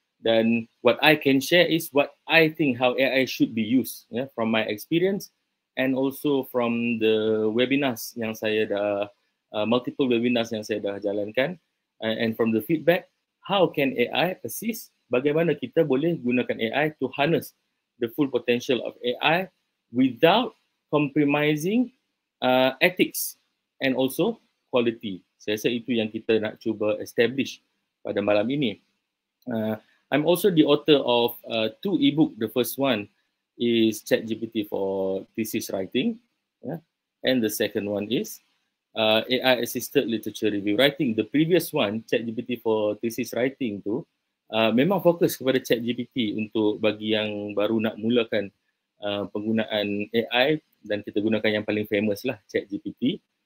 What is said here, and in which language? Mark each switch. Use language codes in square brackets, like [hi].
[en] Dan what I can share is what I think how AI should be used, from my experience and also from the webinars [ms] yang saya dah, [en] multiple webinars [ms] yang saya dah jalankan, [en] and from the feedback, how can AI assist, [ms] bagaimana kita boleh gunakan AI [en] to harness the full potential of AI without compromising ethics and also quality. [ms] Saya rasa itu yang kita nak cuba establish pada malam ini. [en] I'm also the author of two e-book. The first one is ChatGPT for Thesis Writing, and the second one is AI Assisted Literature Review Writing. The previous one, [ms] ChatGPT for Thesis Writing tu, memang fokus kepada ChatGPT untuk bagi yang baru nak mulakan penggunaan AI, dan kita gunakan yang paling famous lah, ChatGPT.